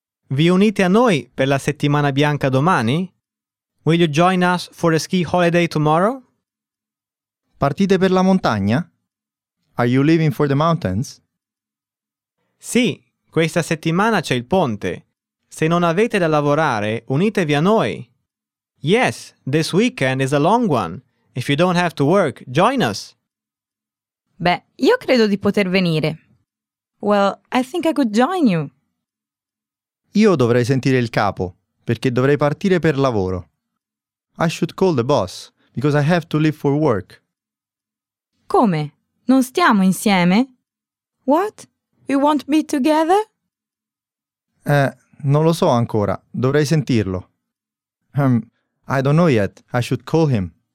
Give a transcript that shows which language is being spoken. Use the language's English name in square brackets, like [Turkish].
[Italian] Vi unite a noi per la settimana bianca domani? [English] Will you join us for a ski holiday tomorrow? [Italian] Partite per la montagna? [English] Are you leaving for the mountains? [Italian] Sì, questa settimana c'è il ponte. Se non avete da lavorare, unitevi a noi. [English] Yes, this weekend is a long one. If you don't have to work, join us. [Italian] Beh, io credo di poter venire. [English] Well, I think I could join you. [Italian] Io dovrei sentire il capo, perché dovrei partire per lavoro. [English] I should call the boss, because I have to leave for work. [Italian] Come? Non stiamo insieme? [English] What? We won't be together? [Italian] Non lo so ancora. Dovrei sentirlo. [English] I don't know yet. I should call him.